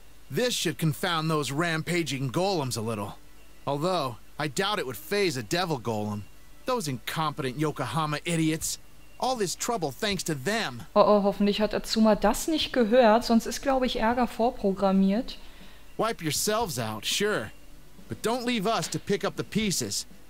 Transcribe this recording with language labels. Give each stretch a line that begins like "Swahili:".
English: This should confound those rampaging golems a little. Although, I doubt it would faze a devil golem. Those incompetent Yokohama idiots. All this trouble thanks to them.
German: Oh, hoffentlich hat Azuma das nicht gehört, sonst ist, glaube ich, Ärger vorprogrammiert.
English: Wipe yourselves out, sure. But don't leave us to pick up the pieces.